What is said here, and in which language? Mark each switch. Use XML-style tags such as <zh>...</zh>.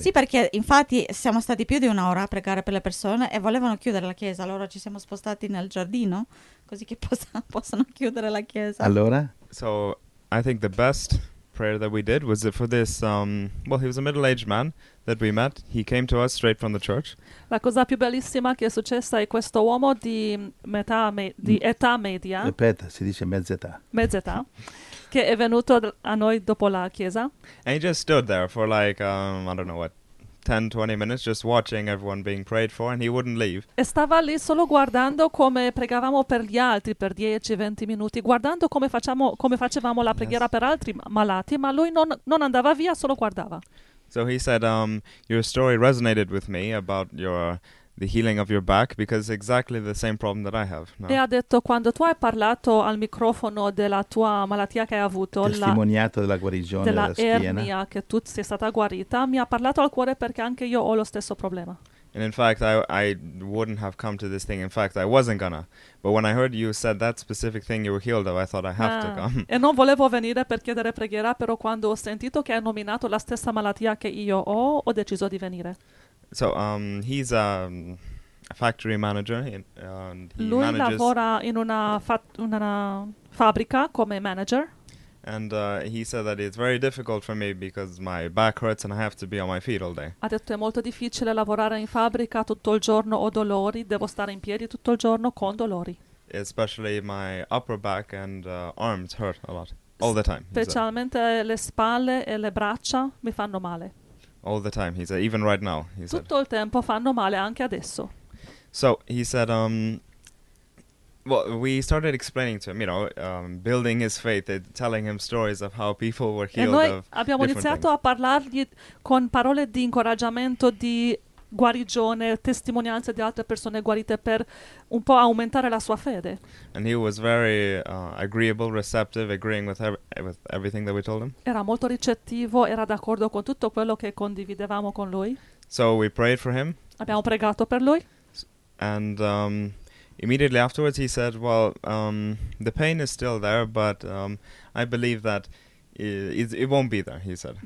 <it>Sì, perché infatti siamo stati più di un'ora a pregare per le persone e volevano chiudere la chiesa. Allora ci siamo spostati nel giardino così che possano chiudere la chiesa. Allora.</it> <en>So I think the best prayer that we did was for this. Well, he was a middle-aged man that we met. He came to us straight from the church.</en> <it>La cosa più bellissima che è successa è questo uomo di metà di età media. Ripeta, si dice mezz'età. Mezz'età, che è venuto a noi dopo la chiesa.</it> <en>And he just stood there for like I don't know what, 10-20 minutes, just watching everyone being prayed for, and he wouldn't leave.</en> <it>E stava lì solo guardando come pregavamo per gli altri per 10-20 minuti, guardando come facevamo la preghiera, yes, per altri malati, ma lui non andava via, solo guardava.</it> <en>So he said, your story resonated with me about the healing of your back, because exactly the same problem that I have.</en> <it>No? E ha detto, quando tu hai parlato al microfono della tua malattia che hai avuto, testimoniato della guarigione della schiena, della ernia, che tu sei stata guarita, mi ha parlato al cuore perché anche io ho lo stesso problema.</it> <en>And in fact, I wouldn't have come to this thing. In fact, I wasn't gonna. But when I heard you said that specific thing you were healed of, I thought I have to come.</en> <it>E non volevo venire per chiedere preghiera, però quando ho sentito che hai nominato la stessa malattia che io ho, ho deciso di venire.</it> <en>So he's a factory manager.</en> <it>Lui lavora in una fabbrica come manager.</it> <en>And he said that it's very difficult for me because my back hurts and I have to be on my feet all day.</en> <it>Ha detto è molto difficile lavorare in fabbrica tutto il giorno, ho dolori, devo stare in piedi tutto il giorno con dolori.</it> <en>Especially my upper back and arms hurt a lot, all the time.</en> <it>Specialmente le spalle e le braccia mi fanno male.</it> <en>All the time, he said, even right now.</en> <it>Tutto il tempo fanno male, anche adesso.</it> <en>So he said, well, we started explaining to him, you know, building his faith, telling him stories of how people were healed.</en> <it>E noi</it> <en>of</en> <it>abbiamo iniziato</it> <en>things.</en> <it>A parlargli con parole di incoraggiamento, di guarigione, testimonianze di altre persone guarite per un po' aumentare la sua fede.</it> <en>And he was very agreeable, receptive, agreeing with everything that we told him.</en> <it>Era molto ricettivo, era d'accordo con tutto quello che condividevamo con lui.</it> <en>So we prayed for him.</en> <it>Abbiamo pregato per lui.</it> <en>And immediately afterwards he said, well, the pain is still there, but I believe that it won't be there, he said.</en>